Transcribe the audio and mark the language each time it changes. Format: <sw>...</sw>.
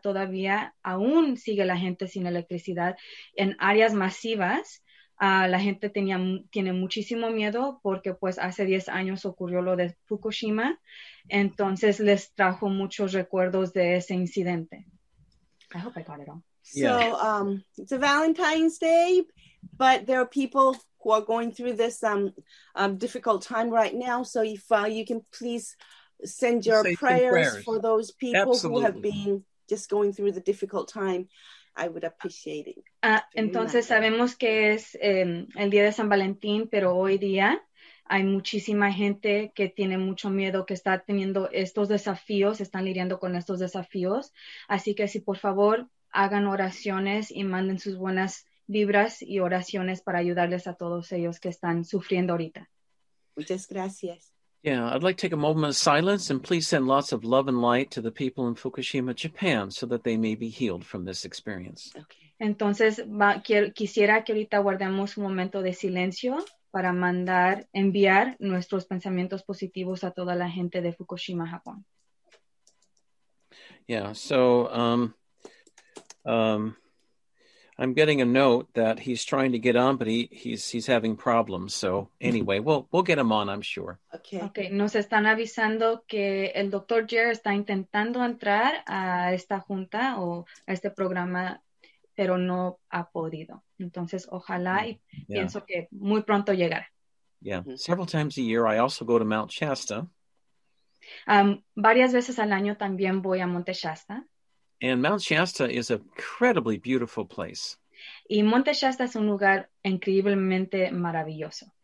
<es>Todavía aún sigue la gente sin electricidad en áreas masivas. La gente tiene muchísimo miedo porque pues hace 10 años ocurrió lo de Fukushima. Entonces les trajo muchos recuerdos de ese incidente.</es> <en>I hope I got it all. Yeah. So it's a Valentine's Day, but there are people who are going through this difficult time right now. So if you can please send your prayers for those people. Absolutely. Who have been just going through the difficult time. I would appreciate it.</en> <es>Entonces sabemos que es el día de San Valentín, pero hoy día hay muchísima gente que tiene mucho miedo, que está teniendo estos desafíos, están lidiando con estos desafíos. Así que si por favor hagan oraciones y manden sus buenas vibras y oraciones para ayudarles a todos ellos que están sufriendo ahorita. Muchas gracias.</es> <en>Yeah, I'd like to take a moment of silence and please send lots of love and light to the people in Fukushima, Japan, so that they may be healed from this experience. Okay.</en> <es>Entonces, quisiera que ahorita guardemos un momento de silencio para enviar nuestros pensamientos positivos a toda la gente de Fukushima, Japón.</es> <en>Yeah, so I'm getting a note that he's trying to get on, but he's having problems. So anyway, we'll get him on, I'm sure. Okay.</en> <es>Nos están avisando que el Dr. Gier está intentando entrar a esta junta o a este programa, pero no ha podido. Entonces, ojalá y pienso que muy pronto llegará. Yeah. Mm-hmm.</es> <en>Several times a year, I also go to Mount Shasta.</en> <es>Varias veces al año también voy a Monte Shasta.</es> <en>And Mount Shasta is an incredibly beautiful place.</en> <es>Y Monte Shasta es un lugar increíblemente maravilloso.</es>